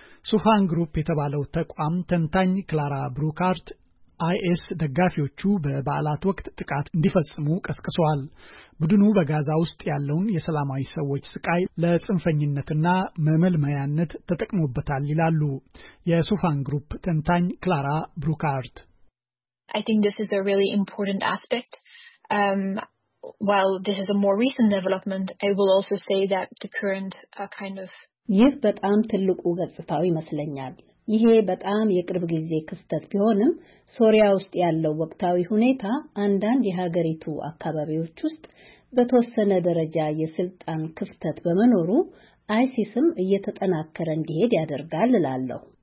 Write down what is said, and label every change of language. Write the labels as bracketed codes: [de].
[am] ሱፋን ግሩፕ የተባለው ተቋም ተንታኝ ክላራ ብሩካርት አይኤስ ደጋፊዎቹ በባላት ወቅት ጥቃት እንዲፈጽሙ ቀስቅሷል። ቡድኑ በጋዛ ውስጥ ያለውን የሰላማዊ ሰዎች ስቃይ ለጽንፈኝነትና መመልመያነት ተጠቅሞበታል ይላሉ። የሱፋን ግሩፕ ተንታኝ ክላራ ብሩካርት [en] I think this is a really important aspect. While this is a more recent development, I will also say that the current kind of [am] ይህ በጣም ትልቁ ገጽታው ይመስለኛል። ይሄ በጣም የቅርብ ጊዜ ክስተት ቢሆንም ሶሪያ ውስጥ ያለው ወቅታዊ ሁኔታ አንዳንድ የሀገሪቱ አካባቢዎች ውስጥ በተወሰነ ደረጃ የስልጣን ክፍተት በመኖሩ አይሲስም እየተጠናከረ እንዲሄድ ያደርጋል ላለው